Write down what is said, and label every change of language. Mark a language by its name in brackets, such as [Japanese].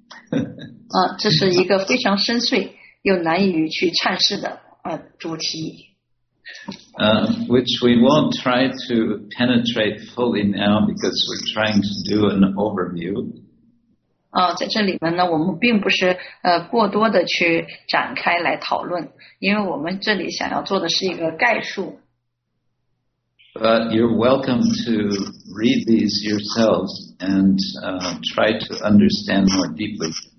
[Chinese] 啊，这是一个非常深邃又难以去阐释的主题。 [English] Which we won't try to penetrate fully now because we're trying to do an overview. [Chinese] 啊，在这里面呢，我们并不是过多的去展开来讨论，因为我们这里想要做的是一个概述。 [English] But you're welcome to read these yourselves and try to understand more deeply.